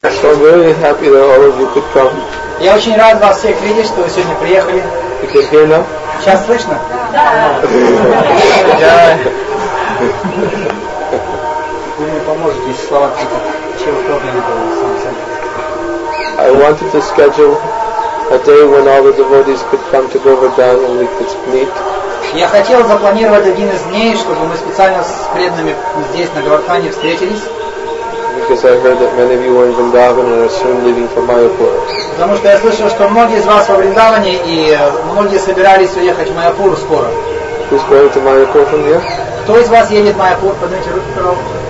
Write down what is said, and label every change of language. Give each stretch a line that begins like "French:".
English: I'm really happy that all of you could come.
Russian: Я очень рад вас всех видеть, что вы сегодня приехали.
English: You can hear now?
Russian: Сейчас слышно? Да. Вы мне поможете с словами, чем в проблеме было в самом центре.
English: I wanted to schedule a day when all the devotees could come to Govardhan and we could meet.
Russian: Я хотел запланировать один из дней, чтобы мы специально с преданными здесь, на Говардхане, встретились.
English: Because I heard that many of you were in Vrindavan and are soon leaving for Mayapur.
Russian: Потому что я слышал, что многие из вас во Вриндаване и многие собирались уехать в Майяпур скоро.
English: Who's going to Mayapur from here?
Russian: Кто из вас едет в Майяпур? Поднимите руки, пожалуйста.